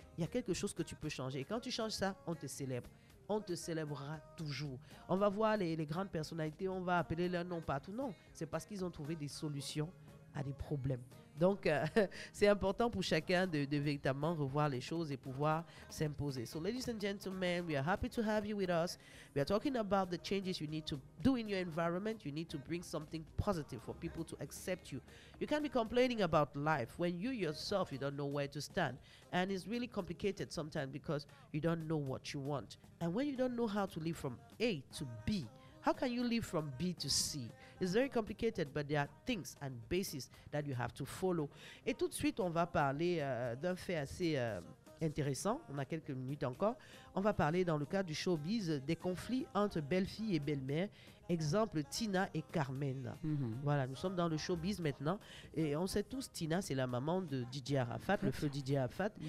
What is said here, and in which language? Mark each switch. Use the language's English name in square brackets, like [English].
[French] Il y a quelque chose que tu peux changer. Et quand tu changes ça, on te célèbre. On te célébrera toujours. On va voir les grandes personnalités, on va appeler leur nom partout. Non, c'est parce qu'ils ont trouvé des solutions à des problèmes. Donc, c'est important pour chacun de véritablement revoir les choses et pouvoir s'imposer. [English] So, ladies and gentlemen, we are happy to have you with us. We are talking about the changes you need to do in your environment. You need to bring something positive for people to accept you. You can't be complaining about life when you yourself, you don't know where to stand. And it's really complicated sometimes because you don't know what you want. And when you don't know how to live from A to B, how can you live from B to C? It's very complicated, but there are things and bases that you have to follow. [French] Et tout de suite, on va parler d'un fait assez intéressant. On a quelques minutes encore. On va parler, dans le cadre du showbiz, des conflits entre belle-fille et belle-mère. Exemple, Tina et Carmen. Voilà, nous sommes dans le showbiz maintenant. Et on sait tous, Tina, c'est la maman de DJ Arafat, le feu DJ Arafat.